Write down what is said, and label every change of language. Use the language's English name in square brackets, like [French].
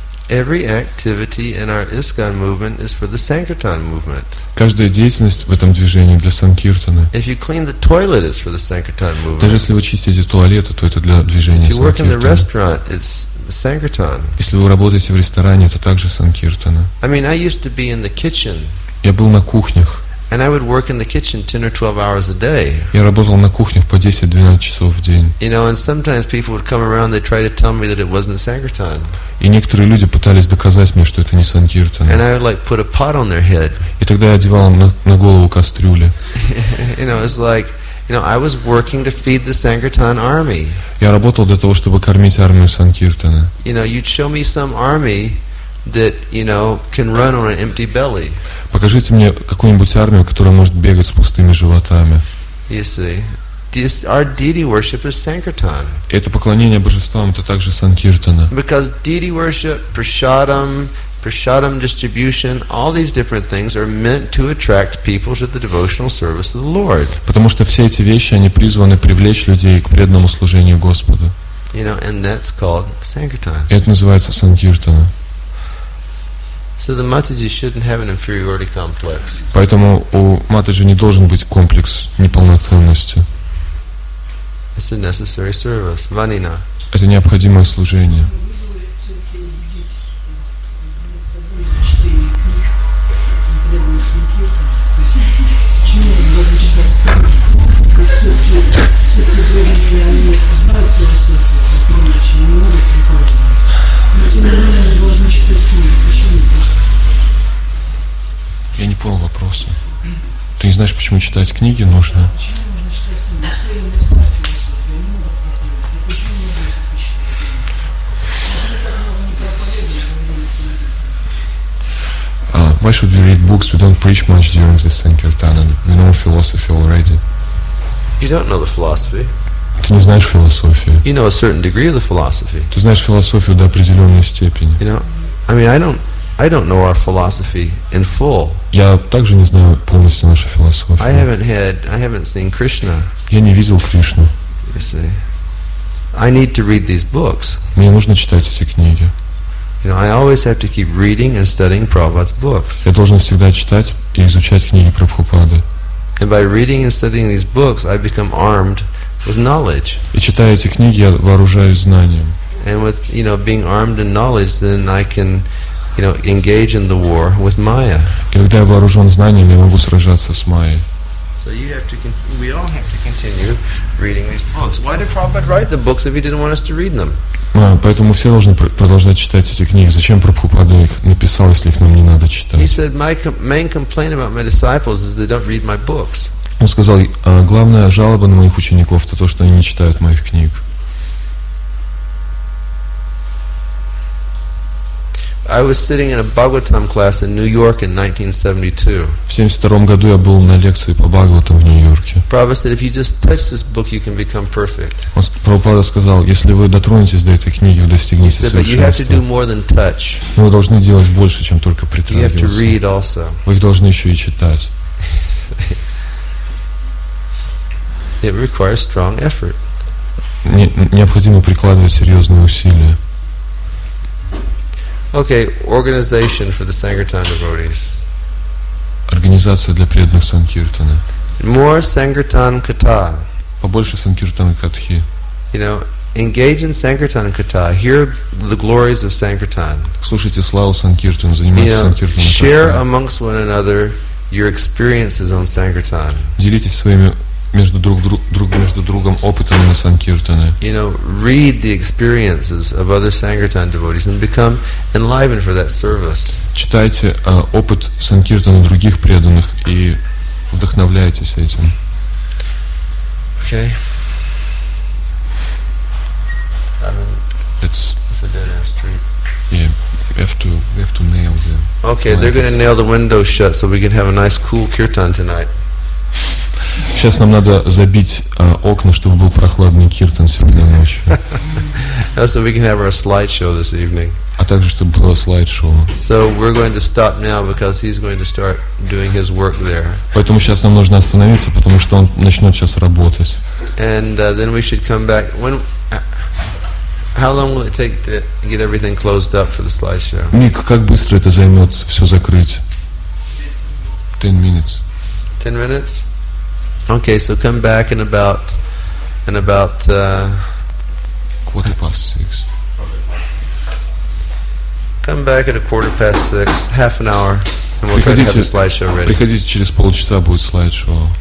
[English] Every activity in our ISKCON movement is for the sankirtan movement. [Russian] Каждая деятельность в этом движении для санкиртаны. [English] If you clean the toilet, it's for the sankirtan movement. [Russian] Даже если вы чистите туалет, то это для движения санкиртаны. [English] If you work in the restaurant, it's Sankirtan. [Russian] Если вы работаете в ресторане, это также санкиртана. [English] I mean, I used to be in the kitchen. [Russian] Я был на кухнях. [English] And I would work in the kitchen 10 or 12 hours a day. [Russian] Я работал на кухнях по 10-12 часов в день. [English] You know, and sometimes people would come around, they try to tell me that it wasn't sankirtan. [Russian] И некоторые люди пытались доказать мне, что это не санкиртана. [English] And I would like put a pot on their head. [Russian] И тогда я одевал им на голову кастрюли. [English] You know, it's like. You know, I was working to feed the Sankirtan army. [Russian] Я работал для того, чтобы кормить армию санкиртаны. [English] You know, you'd show me some army that, you know, can run on an empty belly. [Russian] Покажите мне какую-нибудь армию, которая может бегать с пустыми животами. [English] You see, this our deity worship is Sankirtan. [Russian] Это поклонение божествам, это также санкиртана. [English] Because deity worship, prasadam, prasadam distribution, all these different things are meant to attract people to the devotional service of the Lord. [Russian] Потому что все эти вещи они призваны привлечь людей к преданному служению Господу. [English] You know, and that's called sankirtan. [Russian] Это называется санкиртана. [English] So the Mataji shouldn't have an inferiority complex. [Russian] Поэтому у Матаджи не должен быть комплекс неполноценности. [English] It's a necessary service, vanina. [Russian] Это необходимое служение. Я не понял вопроса. Ты не знаешь, почему читать книги нужно? [English] Why should we read books? We don't preach much during the Sankirtana. We know philosophy already. You don't know the philosophy. [Russian] Ты не знаешь философию. [English] You know a certain degree of the philosophy. [Russian] Ты знаешь философию до определенной степени. [English] You know, I mean, I don't know our philosophy in full. [Russian] Я также не знаю полностью нашу философию. [English] I haven't seen Krishna. [Russian] Я не видел Кришну. [English] You see, I need to read these books. [Russian] Мне нужно читать эти книги. [English] You know, I always have to keep reading and studying Prabhupada's books. [Russian] Я должен всегда читать и изучать книги Прабхупады. [English] And by reading and studying these books, I become armed with knowledge. [Russian] И читая эти книги, я вооружаюсь знанием. [English] And with, you know, being armed in knowledge, then I can, you know, engage in the war with Maya. [Russian] И когда я вооружен знанием, я могу сражаться с Майей. [English] So you have to. We all have to continue reading these books. Why did Prabhupada write the books if he didn't want us to read them? [Russian] Поэтому все должны продолжать читать эти книги. Зачем Прабхупада их написал, если их нам не надо читать? [English] He said, my main complaint about my disciples is they don't read my books. [Russian] Он сказал, главная жалоба на моих учеников это то, что они не читают моих книг. [English] I was sitting in a Bhagavatam class in New York in 1972. [Russian] В 72 году я был на лекции по Бхагаватам в Нью-Йорке. [English] Prabhupada said, if you just touch this book, you can become perfect. [Russian] Прабхупада сказал, если вы дотронетесь до этой книги, вы достигнете совершенства. [English] But you have to do more than touch. [Russian] Вы должны делать больше, чем только притрагиваться. [English] You have to read also. [Russian] Вы их должны еще и читать. [English] It requires strong effort. [Russian] Необходимо прикладывать серьезные усилия. [English] Okay, organization for the Sankirtan devotees. [Russian] Организация для преданных Санкиртана. [English] More Sankirtan Katha. [Russian] Побольше Санкиртан Катхи. [English] You know, engage in Sankirtan Katha. Hear the glories of Sankirtan. [Russian] Слушайте славу Санкиртана, занимайтесь Санкиртаном. [English] Share amongst one another your experiences on Sankirtan. [Russian] Делитесь своими между другом опытом на санкиртане. [English] You know, read the experiences of other Sankirtan devotees and become enlivened for that service. [Russian] Читайте опыт санкиртана других преданных и вдохновляйтесь этим. [English] Okay. It's a dead end street. Yeah, we have to nail the. Okay, they're going to nail the window shut so we can have a nice cool kirtan tonight. [Russian] Сейчас нам надо забить окна, чтобы был прохладный киртан сегодня ночью. [English] So we can have our slideshow this evening. [Russian] А также чтобы было слайд-шоу. [English] So we're going to stop now because he's going to start doing his work there. [Russian] Поэтому сейчас нам нужно остановиться, потому что он начнет сейчас работать. [English] And then we should come back. When? How long will it take to get everything closed up for the slideshow? [Russian] Мик, как быстро это займет все закрыть? [English] 10 minutes. 10 minutes. Okay, so come back in about quarter past six. Come back at 6:15, half an hour, and we'll try to have the slideshow ready. [Russian] Приходите через полчаса будет слайд-шоу.